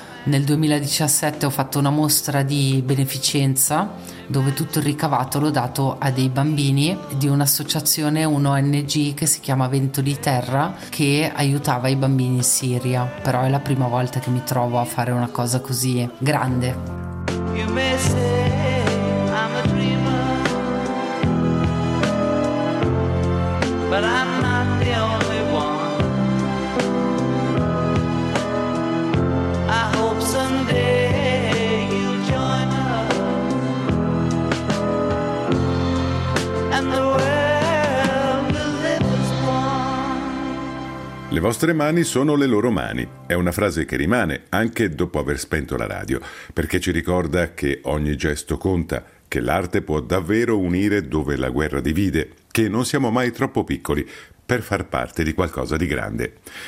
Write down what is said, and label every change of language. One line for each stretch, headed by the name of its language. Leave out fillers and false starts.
Italian: Nel 2017 ho fatto una mostra di beneficenza dove tutto il ricavato l'ho dato a dei bambini di un'associazione, un ONG che si chiama Vento di Terra, che aiutava i bambini in Siria. Però è la prima volta che mi trovo a fare una cosa così grande.
English: You may say I'm a dreamer, but I'm not the only one. I hope someday you'll join us and the world will live as one.
Italian: Le vostre mani sono le loro mani. È una frase che rimane anche dopo aver spento la radio, perché ci ricorda che ogni gesto conta, che l'arte può davvero unire dove la guerra divide, che non siamo mai troppo piccoli per far parte di qualcosa di grande.